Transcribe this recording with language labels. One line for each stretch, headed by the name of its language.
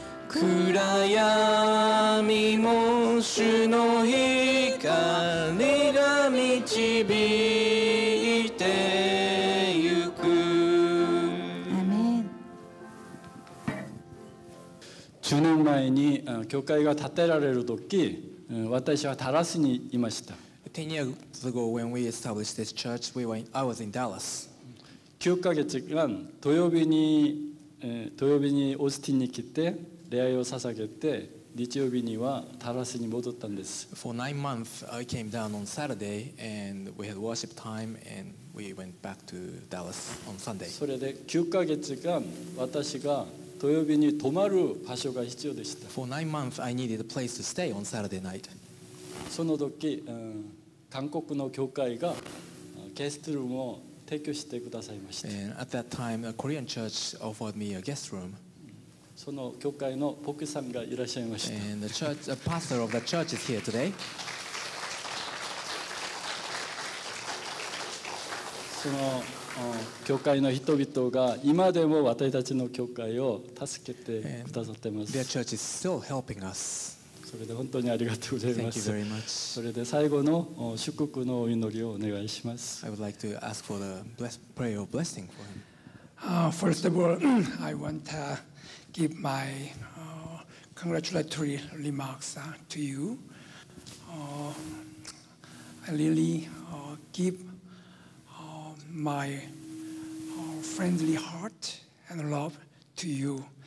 Japanese: 暗闇も主の光が導いてゆく。アメン。 10年前に教会が建てられる時、私はダラスにいました。
English: 10 years ago, when we established this church, I was in Dallas.
Japanese: 9ヶ月間、土曜日にオースティンに来て、礼拝を捧げて、日曜日にはダラスに戻ったんです。
English: For 9 months, I came down on Saturday, and we had worship time, and we went back to Dallas on Sunday.
Japanese: それで9ヶ月間、私が土曜日に泊まる場所が必要でした。
English: For 9 months, I needed a place to stay on Saturday night.
Japanese: その時、韓国の教会がゲストルームを提供してくださいました。
English: And at that time, a Korean church offered me a guest room.
Japanese: その教会の牧師さんがいらっしゃいました。
English: And the church, the pastor of the church is here today.
Japanese: その教会の人々が今でも私たちの教会を助けてくださってます。
English: And their church is still helping us.
Japanese: それで本当にありがとうございます。
English: Thank you very much.
Japanese: それで最後の祝福のお祈りをお願いします。
English: I would like to ask for the prayer of blessing for him. First of all, I want to give my congratulatory remarks to you. I really give my friendly heart and love to you.